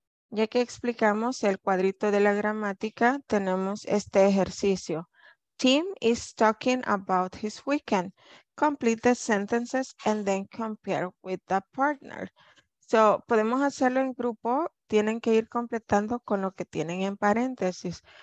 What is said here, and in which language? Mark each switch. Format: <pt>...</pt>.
<es>Ya que explicamos el cuadrito de la gramática, tenemos este ejercicio.</es> <en>Tim is talking about his weekend. Complete the sentences and then compare with the partner.</en> <es>So, podemos hacerlo en grupo. Tienen que ir completando con lo que tienen en paréntesis.</es>